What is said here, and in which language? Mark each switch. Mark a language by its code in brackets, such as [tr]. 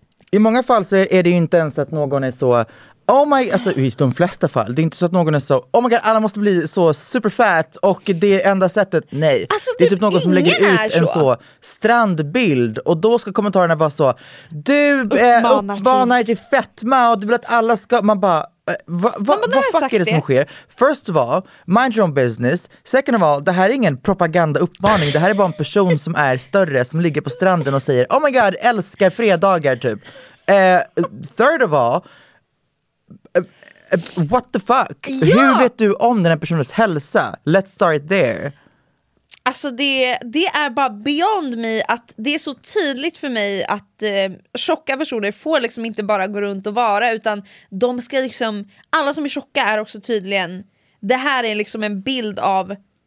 [sv] I många fall så är det ju inte ens att någon är så oh my, alltså i de flesta fall, det är inte så att någon är så [en] oh my god, [sv] alla måste bli så superfat och det enda sättet, nej. Alltså, det är typ någon som lägger ut så. En så strandbild och då ska kommentarerna vara så du uppmanar till fetma och du vill att alla ska, man bara vad fuck är det som sker? [en] First of all, mind your own business. Second of all, [sv] det här är ingen propagandauppmaning. Det här är bara en person som är större som ligger på stranden och säger [en] oh my god, [sv] älskar fredagar typ. [en] Third of all, what the fuck? [sv] Ja! Hur vet du om den här personens hälsa? [en] Let's start there. [sv] Alltså det är bara [en] beyond me [sv] att det är så tydligt för mig att tjocka personer får liksom inte bara gå runt och vara, utan de ska liksom, alla som är tjocka är också tydligen, det här är liksom en bild av